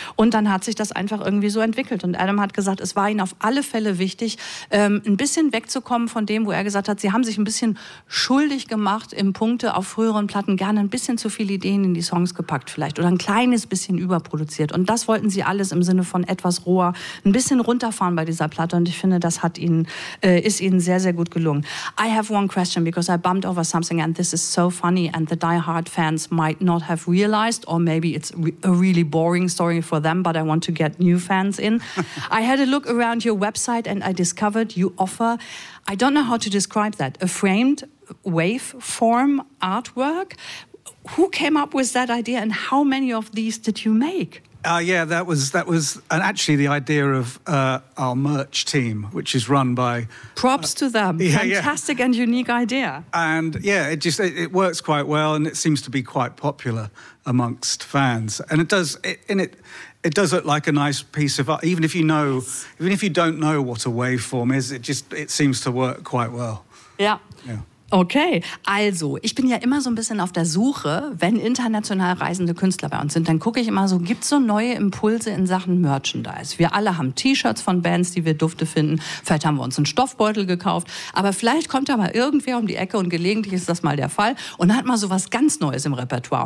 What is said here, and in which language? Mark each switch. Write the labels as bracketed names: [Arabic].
[German] Und dann hat sich das einfach irgendwie so entwickelt. Und Adam hat gesagt, es war Ihnen auf alle Fälle wichtig, ein bisschen wegzukommen von dem, wo er gesagt hat, sie haben sich ein bisschen schuldig gemacht im Punkte auf früheren Platten, gerne ein bisschen zu viele Ideen in die Songs gepackt vielleicht oder ein kleines bisschen überproduziert. Und das wollten sie alles im Sinne von etwas roher, ein bisschen runterfahren bei dieser Platte. Und ich finde, das hat ihnen, ist ihnen sehr, sehr gut gelungen. [English] I have one question, because I bumped over something and this is so funny and the diehard fans might not have realized, or maybe it's a really boring story for them, but I want to get new fans in. I had a look around your website and I discovered you offer, I don't know how to describe that, a framed waveform artwork. Who came up with that idea and how many of these did you make? That was and actually the idea of our merch team, which is run by... Props to them. Fantastic and unique idea. And it works quite well and it seems to be quite popular amongst fans. And it does look like a nice piece of art. Even if you don't know what a waveform is, it seems to work quite well. Yeah. Yeah. [German] Okay, also ich bin ja immer so ein bisschen auf der Suche, wenn international reisende Künstler bei uns sind, dann gucke ich immer so, gibt's so neue Impulse in Sachen Merchandise? Wir alle haben T-Shirts von Bands, die wir dufte finden, vielleicht haben wir uns einen Stoffbeutel gekauft, aber vielleicht kommt da mal irgendwer um die Ecke und gelegentlich ist das mal der Fall und hat mal so was ganz Neues im Repertoire.